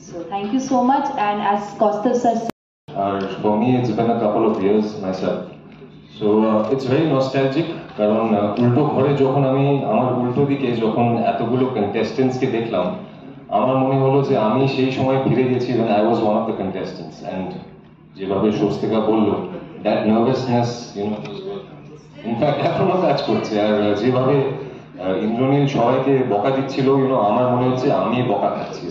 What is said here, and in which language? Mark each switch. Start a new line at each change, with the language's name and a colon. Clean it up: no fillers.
English: So thank you so much, and as Kostav sir For me, it's been a couple of years myself. So it's very nostalgic.
Bangla: কারণ উল্টো ঘরে যখন আমি আমার উল্টো দিকে যখন এতগুলো contestantsকে দেখলাম, আমার মনে হলো যে আমি সেই সময় ফিরে গেছি
English: when I was one of the contestants. And
Bangla: যেভাবে শোস্তিকা বললো,
English: that nervousness, you know, in fact,
Bangla: এখনো কাজ করছে. আর যেভাবে ইন্দ্রনীল সবাইকে বকা দিচ্ছিল,
English: you know,
Bangla: আমার মনে হচ্ছে আমি বকা খাচ্ছি.